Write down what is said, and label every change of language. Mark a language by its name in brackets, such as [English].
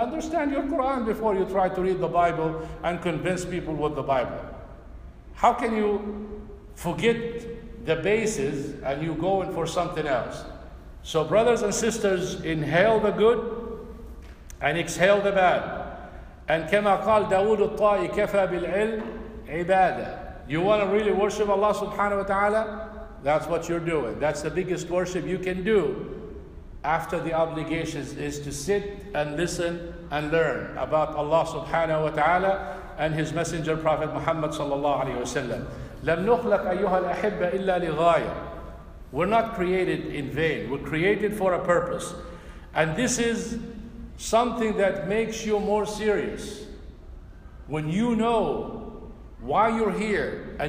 [English] Understand your Quran before you try to read the Bible and convince people with the Bible. How can you forget the basis and you go in for something else? So brothers and sisters, inhale the good and exhale the bad. [Arabic] And كما قال داود الطائي كفى بالعلم عبادة. [English] You want to really worship Allah subhanahu wa ta'ala? That's what you're doing. That's the biggest worship you can do after the obligations, is to sit and listen and learn about Allah subhanahu wa ta'ala and His Messenger Prophet Muhammad sallallahu alayhi wa sallam. [Arabic] لم نخلق أيها الأحبة إلا لغاية. [English] We're not created in vain. We're created for a purpose. And this is something that makes you more serious. When you know why you're here, and